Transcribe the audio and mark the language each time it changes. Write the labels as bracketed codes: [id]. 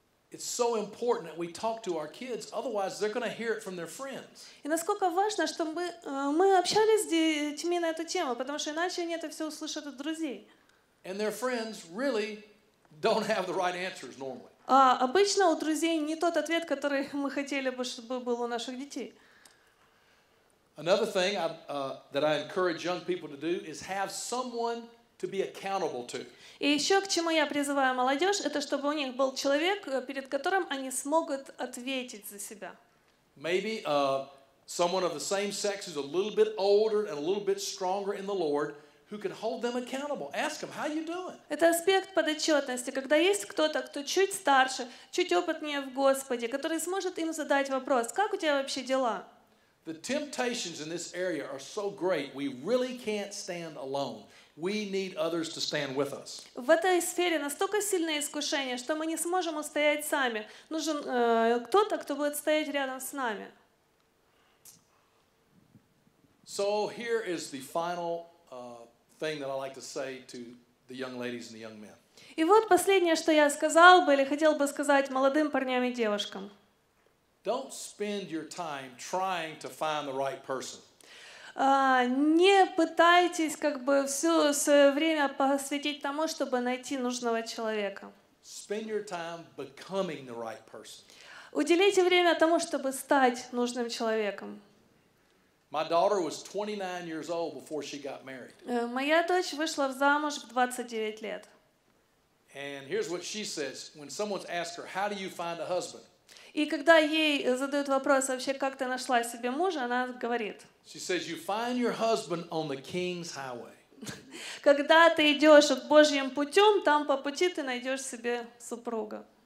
[en] It's so important that we talk to our kids, otherwise they're going to hear it from their friends. [ru] И насколько важно, чтобы мы общались с детьми на эту тему, потому что иначе они это все услышат от друзей. [en] And their friends really don't have the right answers normally. [ru] А обычно у друзей не тот ответ, который мы хотели бы, чтобы был у наших детей. [en] Another thing that I encourage young people to do is have someone to be accountable to. [ru] И еще к чему я призываю молодежь, это чтобы у них был человек, перед которым они смогут ответить за себя. [en] Maybe someone of the same sex who's a little bit older and a little bit stronger in the Lord. Who can hold them accountable? Ask them, how you doing? [ru] Это аспект подотчетности, когда есть кто-то, кто чуть старше, чуть опытнее в Господе, который сможет им задать вопрос, как у тебя вообще дела? [en] The temptations in this area are so great, we really can't stand alone. We need others to stand with us. [ru] В этой сфере настолько сильное искушение, что мы не сможем устоять сами. Нужен кто-то, кто будет стоять рядом с нами. [en] So here is the final thing that I like to say to the young ladies and the young men. [ru] И вот последнее, что я сказал бы или хотел бы сказать молодым парням и девушкам. [en] Don't spend your time trying to find the right person. [ru] Не пытайтесь как бы все свое время посвятить тому, чтобы найти нужного человека. [en] Spend your time becoming the right person. [ru] Уделите время тому, чтобы стать нужным человеком. [en] My daughter was 29 years old before she got married. [ru] Моя дочь вышла замуж в 29 лет. [en] And here's what she says when someone's asked her, "How do you find a husband?" [ru] И когда ей задают вопрос вообще, как ты нашла себе мужа, она говорит. [en] She says, "You find your husband on the King's Highway." [ru] Когда ты идешь от Божьим путем, там по пути ты найдешь себе супруга.